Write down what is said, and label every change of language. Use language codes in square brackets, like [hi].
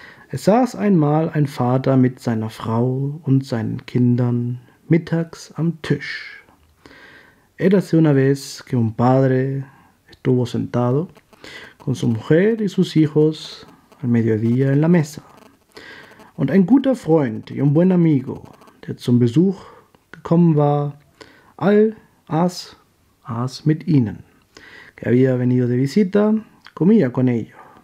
[de] Es saß einmal ein Vater mit seiner Frau und seinen Kindern mittags am Tisch. [es] Érase una vez que un padre estuvo sentado con su mujer y sus hijos al mediodía en la mesa. [de] Und ein guter Freund [es] y un buen amigo, [de] der zum Besuch gekommen war, aß mit ihnen. [es] Que había venido de visita, comió con ellos.